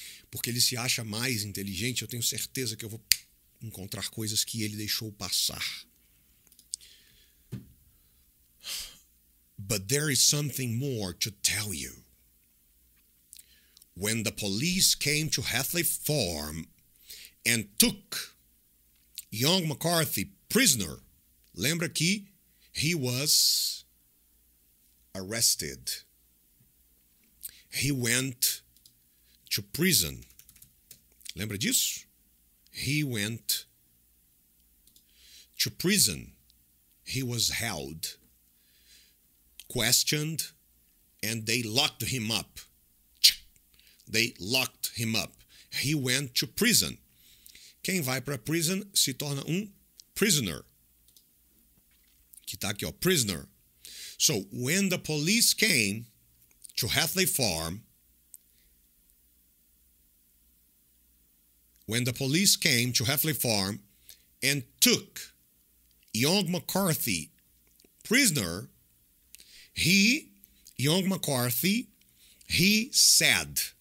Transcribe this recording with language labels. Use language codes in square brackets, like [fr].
[pt] Porque ele se acha mais inteligente, eu tenho certeza que eu vou encontrar coisas que ele deixou passar. [en] But there is something more to tell you. When the police came to Hatley Farm and took young McCarthy prisoner, [pt] lembra que [en] he was arrested. He went to prison. [pt] Lembra disso? [en] He went to prison. He was held, questioned, and they locked him up. They locked him up. He went to prison. [pt] Quem vai para prison se torna um prisoner. Que tá aqui, ó, prisoner. [en] So, when the police came to Hatley Farm, when the police came to Hatley Farm and took young McCarthy prisoner, young McCarthy said,